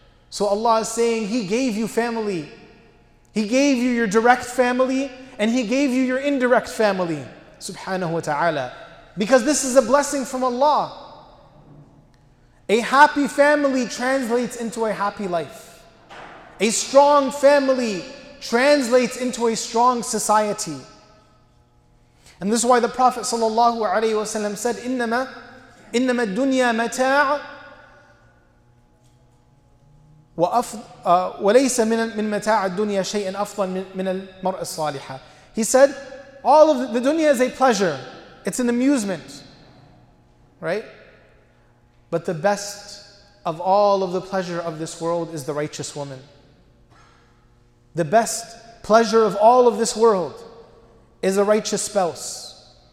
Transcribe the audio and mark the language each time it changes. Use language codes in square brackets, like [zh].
[en] So Allah is saying He gave you family. He gave you your direct family and He gave you your indirect family, subhanahu wa ta'ala. Because this is a blessing from Allah. A happy family translates into a happy life. A strong family translates into a strong society. And this is why the Prophet sallallahu alaihi wasallam said, [ar] إِنَّمَا الدُّنْيَا مَتَاعُ وَلَيْسَ مِنْ مَتَاعِ الدُّنْيَا شَيْءٍ أَفْضَلٌ مِنَ الْمَرْءِ الصَّالِحَةِ. [en] He said, all of the dunya is a pleasure. It's an amusement. Right? But the best of all of the pleasure of this world is the righteous woman. The best pleasure of all of this world is a righteous spouse.